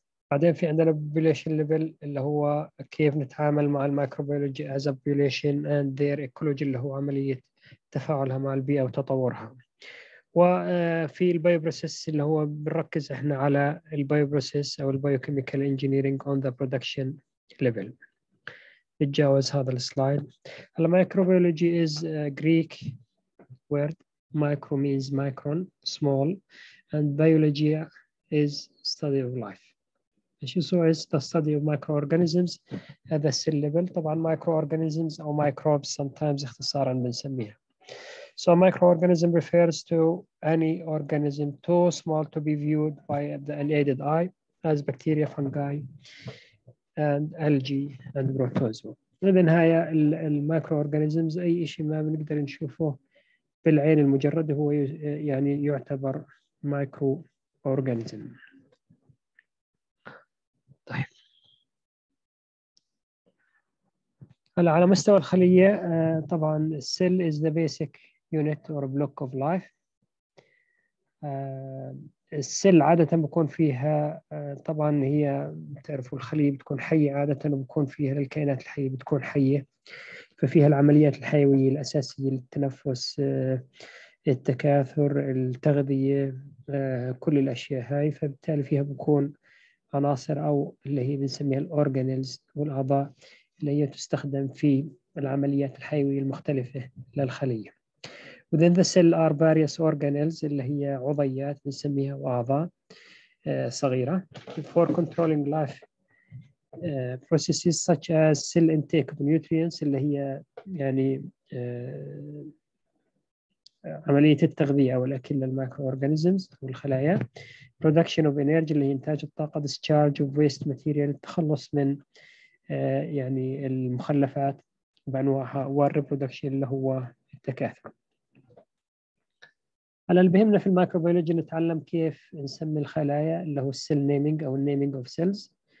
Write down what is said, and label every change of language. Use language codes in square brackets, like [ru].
[ar] بعدين في عندنا البوبوليشن ليفل، اللي هو كيف نتعامل مع المايكروبيولوجي [en] as a population and their ecology، [ar] اللي هو عملية تفاعلها مع البيئة وتطورها. وفي البيوبروسيس، اللي هو بنركز احنا على البيوبروسيس أو البيوكيميكال انجينيرينج [en] on the production level. [ar] تجاوز هذا السلايد. هلا مايكروبيولوجي [en] is a Greek word. Micro means micron, small. And biology is study of life. As you saw, it's the study of microorganisms at the cell level. [ar] طبعا microorganisms أو microbes sometimes اختصارا بنسميها. [en] So microorganism refers to any organism too small to be viewed by the unaided eye, as bacteria, fungi, and algae and protozoa. [ar] بالنهاية المايكرو أورجانيزمز أي شيء ما بنقدر نشوفه بالعين المجرد هو يعني يعتبر مايكرو أورجانيزم. طيب، هلا على مستوى الخلية، طبعا السيل [en] is the basic unit or block of life. [ar] السيل عادة بكون فيها، طبعا هي بتعرفوا الخلية بتكون حية عادة، وبكون فيها الكائنات الحية بتكون حية، ففيها العمليات الحيوية الأساسية، التنفس، التكاثر، التغذية، كل الأشياء هاي. فبالتالي فيها بكون عناصر أو اللي هي بنسميها الأورجانيلز والأعضاء، اللي هي تستخدم في العمليات الحيوية المختلفة للخلية. [en] Within the cell are various organelles، [ar] اللي هي عضيات بنسميها وأعضاء صغيرة. [en] For controlling life processes such as cell intake of nutrients، [ar] اللي هي يعني عملية التغذية والأكل للمايكروأورجانيزمز والخلايا. [en] Production of energy، [ar] اللي هي إنتاج الطاقة. [en] Discharge of waste material، [ar] التخلص من يعني المخلفات بأنواعها. والreproduction، اللي هو التكاثر. على اللي بهمنا في الميكروبيولوجي نتعلم كيف نسمي الخلايا، اللي هو السيل نيمينج او النيمينج اوف سيلز.